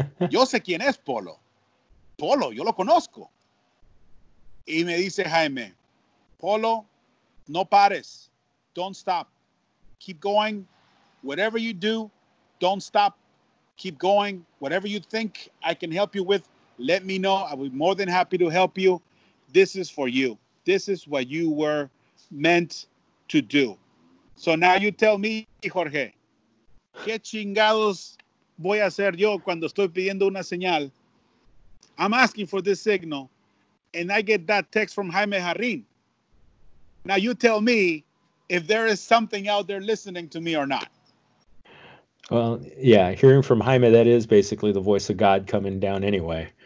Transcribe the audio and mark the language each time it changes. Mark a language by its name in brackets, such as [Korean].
[Spanish] Yo sé quién es Polo. Polo, yo lo conozco. Y me dice Jaime, Polo, no pares. [English] Don't stop. Keep going. Whatever you do, don't stop. Keep going. Whatever you think I can help you with, let me know. I'll be more than happy to help you. This is for you. This is what you were meant to do. So now you tell me, [Spanish] Jorge, ¿qué chingados voy a hacer yo cuando estoy pidiendo una señal? [English] I'm asking for this signal, and I get that text from Jaime Jarrín. Now you tell me if there is something out there listening to me or not. Well, yeah, hearing from Jaime, that is basically the voice of God coming down anyway.